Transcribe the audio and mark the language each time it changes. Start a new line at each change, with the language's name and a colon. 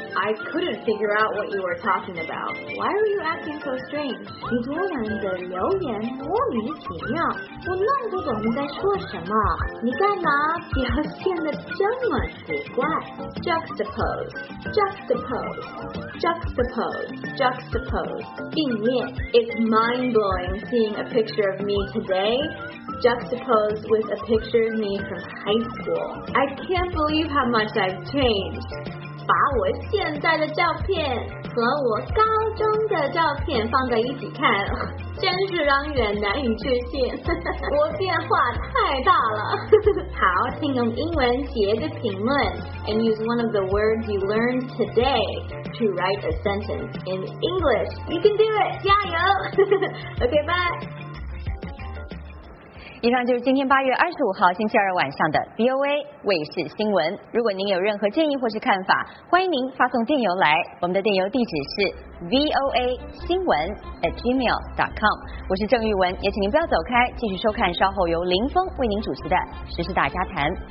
English: I couldn't figure out what you were talking about. Why are you acting so strange?
Chinese: 你昨晚的留言莫名其妙，我弄不懂你在说什么，你干嘛表现得这么奇怪。 Juxtapose 并列。
English: It's mind-blowing seeing a picture of me todayjuxtaposed with a picture of me from high school. I can't believe how much I've changed.
Chinese: 把我现在的照片和我高中的照片放在一起看，真是让人难以置信。我变化太大了。好，请用英文写个评论
English: and use one of the words you learned today to write a sentence in English. You can do it!
Chinese: 加油！
English: OK, bye!
Chinese: 以上就是今天8月25号星期二晚上的 VOA 卫视新闻。如果您有任何建议或是看法，欢迎您发送电邮来，我们的电邮地址是 voa@gmail.com。我是郑玉文，也请您不要走开，继续收看稍后由林峰为您主持的《时事大家谈》。